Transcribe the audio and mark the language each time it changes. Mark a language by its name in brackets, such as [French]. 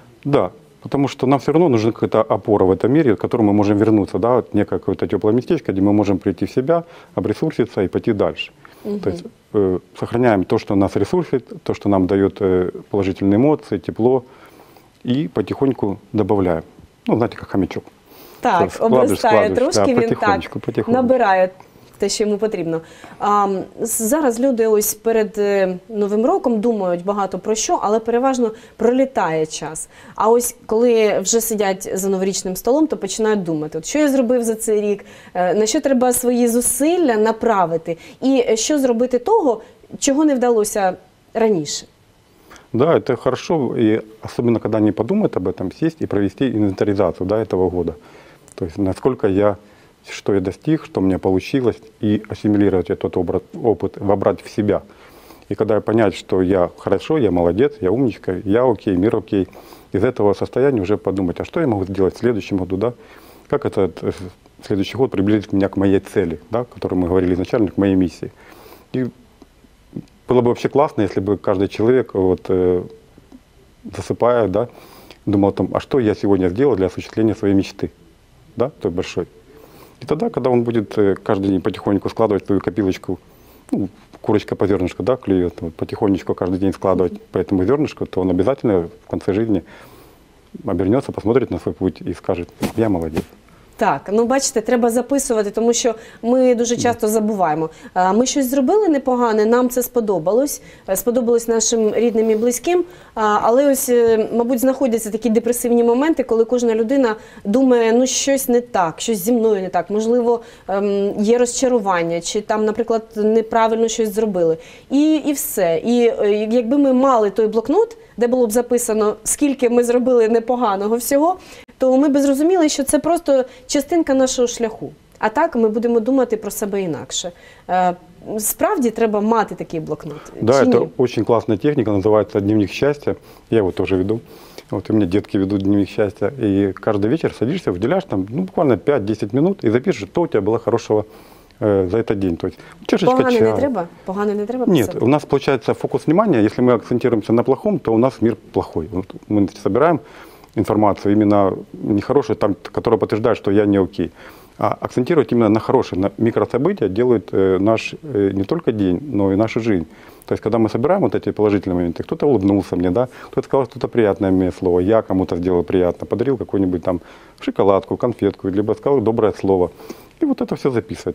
[Russian] Да, потому что нам все равно нужна какая-то опора в этом мире, к которой мы можем вернуться, да, некое какое-то теплое местечко, где мы можем прийти в себя, обресурситься и пойти дальше. То есть сохраняем то, что нас ресурсит, то, что нам дает положительные эмоции, тепло, и потихоньку добавляем. Ну, знаете, как хомячок. [Ukrainian] Так, обростає трошки, він так набирає те, що йому потрібно. Зараз люди ось перед Новим роком думають багато про що, але переважно пролітає час. А ось коли вже сидять за новорічним столом, то починають думати, от що я зробив за цей рік, на що треба свої зусилля направити, і що зробити того, чого не вдалося раніше. [Russian] Да, это хорошо, и особенно когда не подумают об этом, сесть и провести инвентаризацию, да, этого года. То есть насколько я, что я достиг, что у меня получилось, и ассимилировать этот опыт, вобрать в себя. И когда я понять, что я хорошо, я молодец, я умничка, я окей, мир окей, из этого состояния уже подумать, а что я могу сделать в следующем году, да? Как этот следующий год приблизит меня к моей цели, да, о которой мы говорили изначально, к моей миссии. И было бы вообще классно, если бы каждый человек, вот, засыпая, да, думал о том, а что я сегодня сделал для осуществления своей мечты, да, той большой. И тогда, когда он будет каждый день потихоньку складывать свою копилочку, ну, курочка по зернышку, да, клюет, вот, потихонечку каждый день складывать по этому зернышку, то он обязательно в конце жизни обернется, посмотрит на свой путь и скажет, я молодец. [Ukrainian] Так, ну бачите, треба записувати, тому що ми дуже часто забуваємо. Ми щось зробили непогане, нам це сподобалось нашим рідним і близьким, але ось, мабуть, знаходяться такі депресивні моменти, коли кожна людина думає, ну щось не так, щось зі мною не так, можливо, є розчарування, чи там, наприклад, неправильно щось зробили. І все. І якби ми мали той блокнот, де було б записано, скільки ми зробили непоганого всього, то ми би зрозуміли, що це просто частинка нашого шляху. А так ми будемо думати про себе інакше. Справді треба мати такий блокнот? Да, чи ні? Це дуже класна техніка, називається «Дневник щастя». Я його теж веду. От у мене дітки ведуть «Дневник щастя». І кожен вечір садишся, виділяєш там, ну, буквально 5-10 хвилин і запишеш, що у тебе було хорошого за цей день. Тобто, чашечка чая. Погане не треба? Погане не треба писати? Ні, у нас виходить [Russian] фокус внимания. [Ukrainian] Якщо ми акцентуємося на плохому, [Russian] то у нас мир плохой. [Ukrainian] От ми збираємо [Russian] информацию именно нехорошую, там, которая подтверждает, что я не окей. А акцентировать именно на хорошее, на микрособытия делают наш не только день, но и нашу жизнь. То есть, когда мы собираем вот эти положительные моменты, кто-то улыбнулся мне, да, кто-то сказал что-то приятное мне слово, я кому-то сделал приятно, подарил какую-нибудь там шоколадку, конфетку, либо сказал доброе слово. И вот это все записывать.